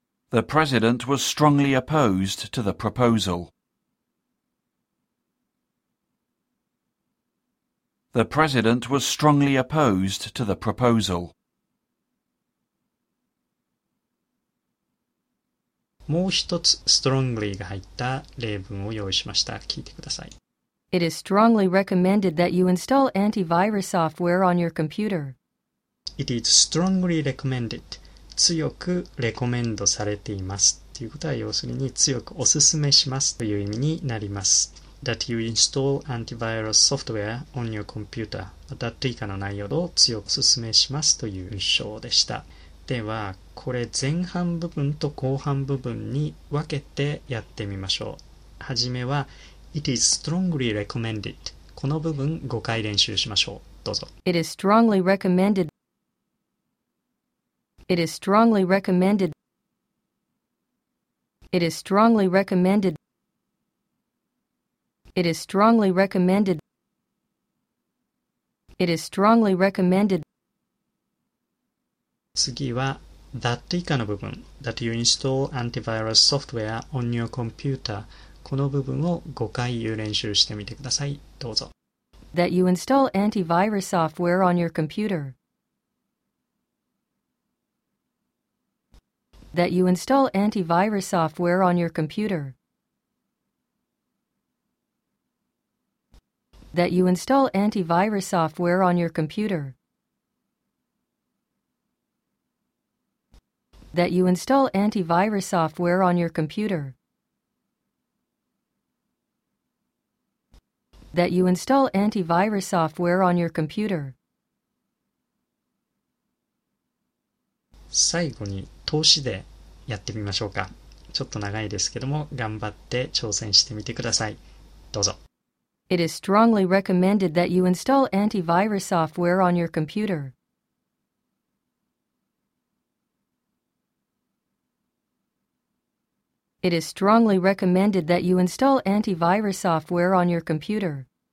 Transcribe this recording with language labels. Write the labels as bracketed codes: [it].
[en] The president was strongly opposed to the proposal. The president was strongly opposed to the proposal. [ja] もう一つ strongly が入った例文を用意しました。聞いてください。 [en] It is strongly recommended that you install antivirus software on your computer. It is strongly recommended. [ja] 強くレコメンドされています。ということは要するに強くおすすめしますという意味になります。 [en] That you install antivirus software on your computer. [ja] That 以下の内容を強く勧めしますという文章でした。では、これ前半部分と後半部分に分けてやってみましょう。はじめは、 [en] It is strongly recommended. [ja] この部分5回練習しましょう。どうぞ。 [en] It is strongly recommended. It is strongly recommended. It is strongly recommended. It is strongly recommended. It is strongly recommended. [ja] 次は [en] that [ja] 以下の部分 [en] that you install antivirus software on your computer. [ja] この部分を5回言う練習してみてください。どうぞ。 [en] That you install antivirus software on your computer. That you install antivirus software on your computer. That you install antivirus software on your computer. That you install antivirus software on your computer. That you install antivirus software on your computer. [ja] 最後に投資でやってみましょうか。ちょっと長いですけども、頑張って挑戦してみてください。どうぞ。 [en] It is strongly recommended that you install antivirus software on your computer. It is strongly recommended that you install antivirus software on your computer.